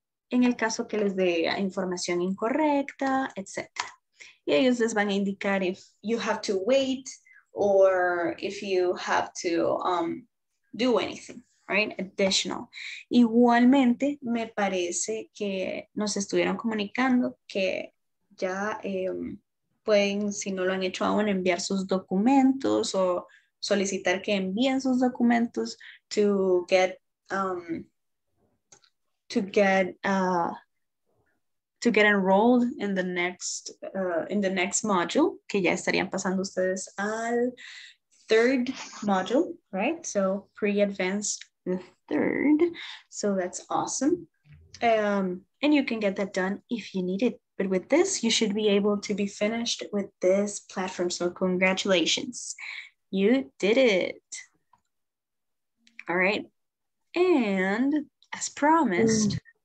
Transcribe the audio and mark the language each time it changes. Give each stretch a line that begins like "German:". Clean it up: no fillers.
Spanish: En el caso que les dé información incorrecta, etc. Y ellos les van a indicar
English: if you have to wait or if you have to do anything, right? Additional.
Spanish: Igualmente, me parece que nos estuvieron comunicando que ya pueden, si no lo han hecho aún, enviar sus documentos o solicitar que envíen sus documentos
English: to get enrolled in the next module,
Spanish: que ya estarían pasando ustedes al
English: third module, right? So pre-advanced the third. So that's awesome. And you can get that done if you need it. But with this, you should be able to be finished with this platform. So congratulations. You did it. All right. And as promised,